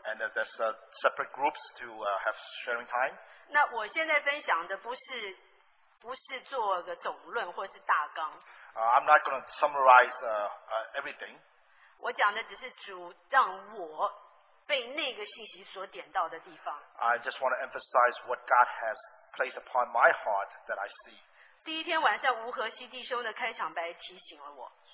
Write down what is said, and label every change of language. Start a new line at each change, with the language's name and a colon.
English: And there's separate groups to have sharing time.
Chinese: 那我现在分享的不是做个总论或是大纲。
English: I'm not going to summarize everything.
Chinese: 我讲的只是主让我被那个信息所点到的地方。
English: I just want to emphasize what God has placed upon my heart that I see.
Chinese: 第一天晚上吴和熙弟兄的开场白提醒了我。